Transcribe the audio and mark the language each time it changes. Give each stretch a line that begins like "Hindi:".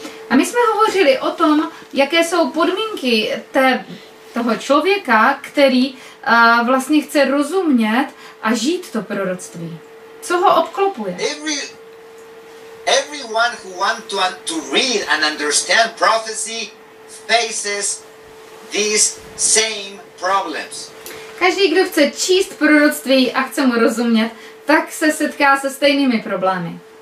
Czech: A my jsme hovořili o tom, jaké jsou podmínky toho člověka, který vlastně chce rozumět a žít to proroctví. Co ho obklopuje?
English: Everyone who wants to read and understand prophecy faces these same problems.
Czech: Každý, kdo chce číst proroctví a chce mu rozumět, tak se setká se stejnými problémy.